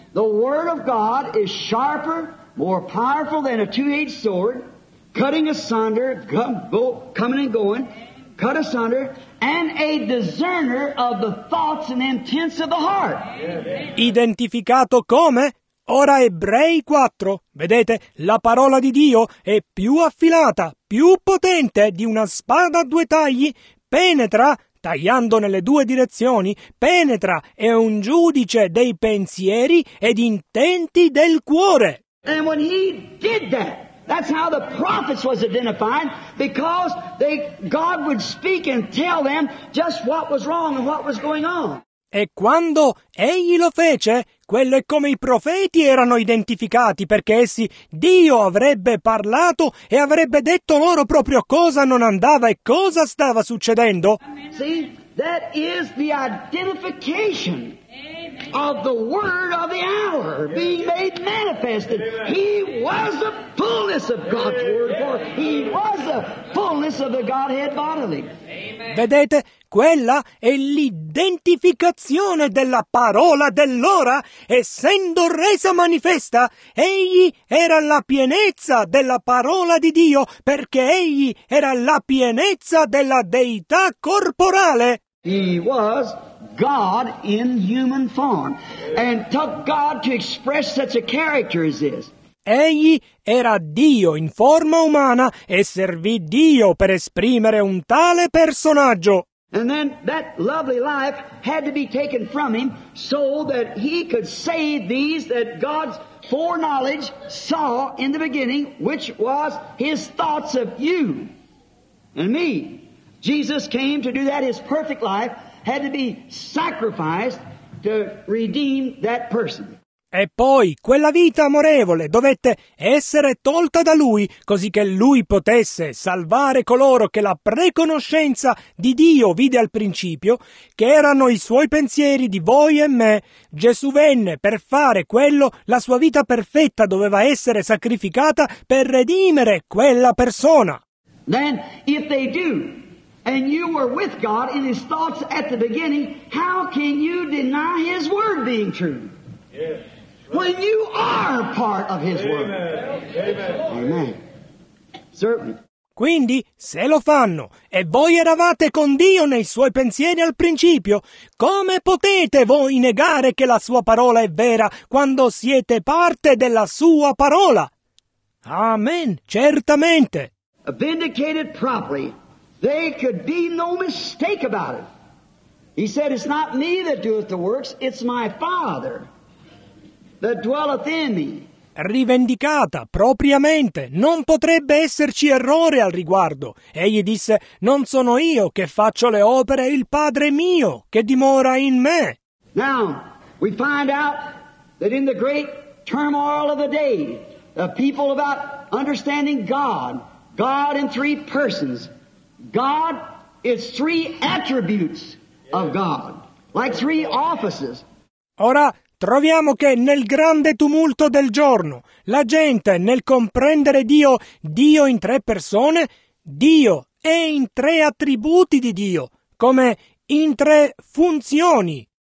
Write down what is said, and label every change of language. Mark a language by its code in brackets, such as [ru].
[en] The word of God is sharper, more powerful than a two-edged sword, cutting asunder, coming and going, cut asunder, and a discerner of the thoughts and intents of the heart. [it] Identificato come? Ora Ebrei 4, vedete, la parola di Dio è più affilata, più potente di una spada a due tagli, penetra, tagliando nelle due direzioni, penetra, è un giudice dei pensieri ed intenti del cuore. [en] And when he did that, that's how the prophets was identified, because God would speak and tell them just what was wrong and what was going on. [it] E quando egli lo fece, quello è come i profeti erano identificati, perché essi, Dio avrebbe parlato e avrebbe detto loro proprio cosa non andava e cosa stava succedendo. [en] See, that is the identification of the word of the hour being made manifested. He was the fullness of God's word, for he was the fullness of the Godhead bodily. [it] Vedete, quella è l'identificazione della parola dell'ora, essendo resa manifesta, egli era la pienezza della parola di Dio, perché egli era la pienezza della deità corporale. [en] He was God in human form, and took God to express such a character as this. [it] Egli era Dio in forma umana e servì Dio per esprimere un tale personaggio. [en] And then that lovely life had to be taken from him so that he could save these that God's foreknowledge saw in the beginning, which was his thoughts of you and me. Jesus came to do that. His perfect life had to be sacrificed to redeem that person. [it] E poi quella vita amorevole dovette essere tolta da lui, così che lui potesse salvare coloro che la preconoscenza di Dio vide al principio, che erano i suoi pensieri di voi e me. Gesù venne per fare quello, la sua vita perfetta doveva essere sacrificata per redimere quella persona. [en] Then, if they do, and you were with God in his thoughts at the beginning, how can you deny his word being true? Yes. When you are part of his Amen. Word. Amen. Amen. Certainly. [it] Quindi, se lo fanno e voi eravate con Dio nei suoi pensieri al principio, come potete voi negare che la sua parola è vera quando siete parte della sua parola? Amen, certamente. [en] Vindicated properly, there could be no mistake about it. He said, it's not me that doeth the works, it's my Father that dwelleth in me. [it] Rivendicata propriamente, non potrebbe esserci errore al riguardo. Egli disse, non sono io che faccio le opere, il Padre mio che dimora in me. [en] Now, we find out that in the great turmoil of the day, the people about understanding God, God in three persons, God is three attributes of God, like three offices. [it] Ora, troviamo che nel grande tumulto del giorno, la gente nel comprendere Dio, Dio in tre persone, Dio è in tre attributi di Dio, come in tre funzioni.